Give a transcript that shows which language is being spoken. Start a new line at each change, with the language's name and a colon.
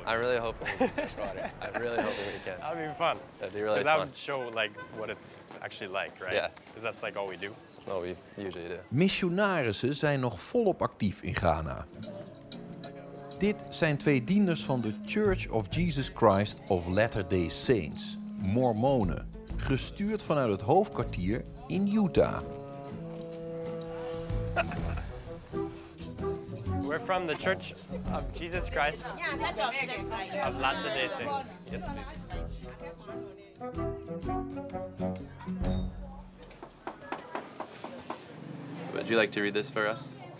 English: I really hope we can fetch water. I really hope we can. That'd be fun. That'd be really fun. Because that would show like what it's actually like, right? Yeah. Because that's like all we do. All we usually do.
Dutch: Missionarissen zijn nog volop actief in Ghana. Dit zijn twee dieners van de Church of Jesus Christ of Latter-day Saints, Mormonen, gestuurd vanuit het hoofdkwartier in Utah.
English: We're from the Church of Jesus Christ of Latter-day Saints. Yes, please. Would you like to read this for us?